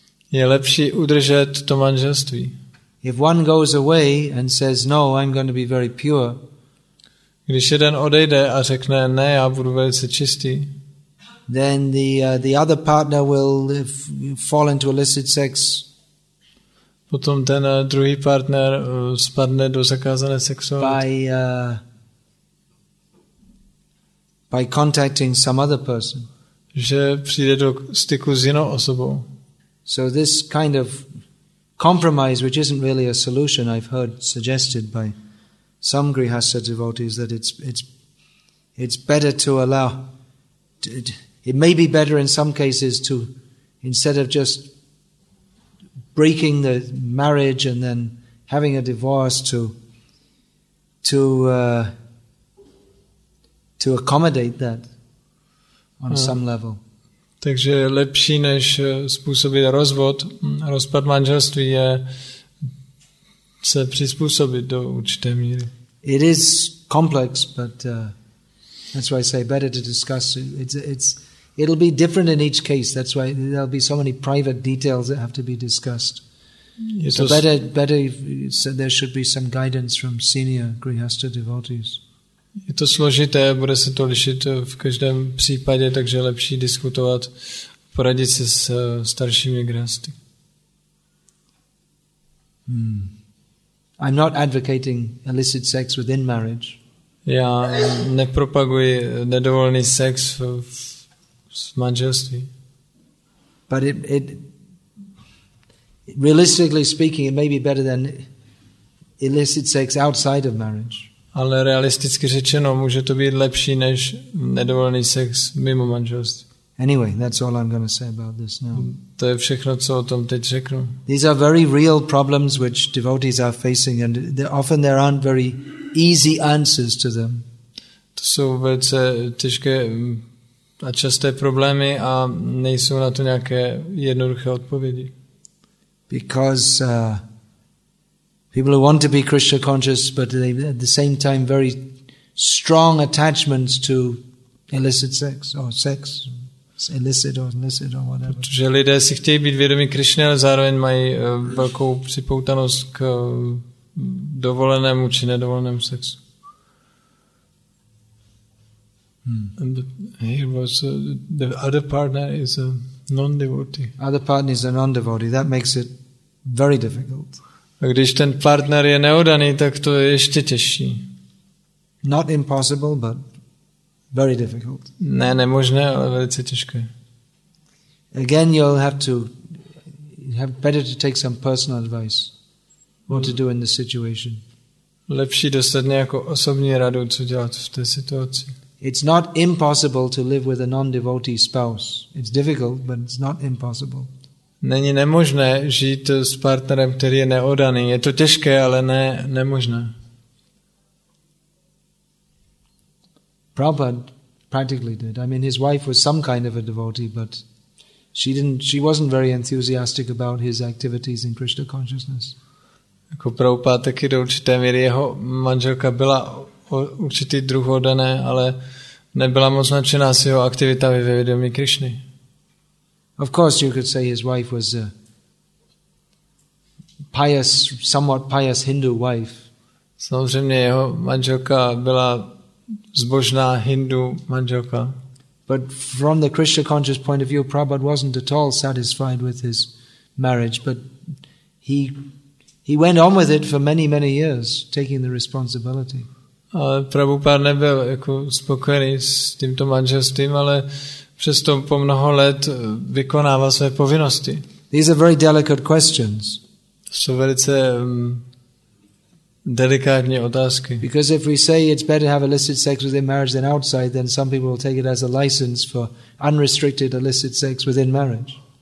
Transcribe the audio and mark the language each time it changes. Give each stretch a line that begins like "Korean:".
Czech: Je lepší udržet to manželství.
English: If one goes away and says no, I'm going to be very pure.
Czech: Když jeden odejde a řekne ne, já budu velice čistý.
English: Then the other partner will fall into illicit sex.
Czech: Potom ten druhý partner spadne do zakázané sexuality.
English: By contacting some other person.
Czech: že přijde do styku s jinou osobou.
English: So this kind of compromise, which isn't really a solution, I've heard suggested by some Grihastha devotees that it's better to allow. It may be better in some cases to, instead of just breaking the marriage and then having a divorce, to accommodate that on some level.
Czech: Takže lepší než způsobit rozvod, rozpad manželství je se přizpůsobit do určité míry.
English: It is complex, but that's why I say better to discuss. It'll be different in each case. That's why there'll be so many private details that have to be discussed. There should be some guidance from senior Grihastha devotees.
Czech: Je to složité, bude se to lišit v každém případě, takže je lepší diskutovat, poradit se s staršími grihasty.
English: I'm not advocating illicit sex within marriage.
Czech: Já nepropaguji nedovolený sex v manželství.
English: But it realistically speaking, it may be better than illicit sex outside of marriage.
Czech: Ale realisticky řečeno, může to být lepší než nedovolený sex mimo manželství.
English: Anyway, that's all I'm going to say about this now.
Czech: To je všechno, co o tom teď řeknu.
English: These are very real problems which devotees are facing, and often there aren't very easy answers to them.
Czech: To jsou velice těžké a časté problémy a nejsou na to nějaké jednoduché odpovědi.
English: Because people who want to be Krishna conscious, but they at the same time very strong attachments to illicit or whatever.
Czech: Protože lidé si chtějí být vědomí Krishny, ale zároveň mají velkou připoutanost k dovolenému či nedovolenému sexu.
English: The other partner is a non-devotee. Other partner is a non-devotee. That makes it very difficult.
Czech: A když ten partner je neodaný, tak to je ještě těžší.
English: Not impossible, but very difficult.
Czech: Ne, nemožné, ale velice těžké.
English: Again, you'll have better to take some personal advice what to do in the situation.
Czech: Lepší dostat nějakou osobní radu, co dělat v té situaci.
English: It's not impossible to live with a non-devotee spouse. It's difficult, but it's not impossible.
Czech: Není nemožné žít s partnerem, který je neodaný. Je to těžké, ale ne nemožné.
English: Prabhupada practically did. I mean, his wife was some kind of a devotee, but she wasn't very enthusiastic about his activities in Krishna consciousness.
Czech: Jako Prabhupada, taky do určité míry jeho manželka byla určitý druh odané, ale nebyla moc nadšená s jeho aktivitami ve vědomí Krišny.
English: Of course, you could say his wife was a pious, somewhat pious Hindu wife.
Czech: Samozřejmě jeho manželka byla zbožná Hindu manželka.
English: But from the Krishna conscious point of view, Prabhupada wasn't at all satisfied with his marriage, but he went on with it for many, many years, taking the responsibility.
Czech: Ale Prabhupada nebyl jako spokojený s tímto manželstvím, ale přesto po mnoho let vykonával své povinnosti.
English: These are very delicate questions.
Czech: Jsou velice delikátní otázky.
English: Because if we say it's better to have illicit sex within marriage than outside, then some people will take it as a license for unrestricted illicit sex within marriage.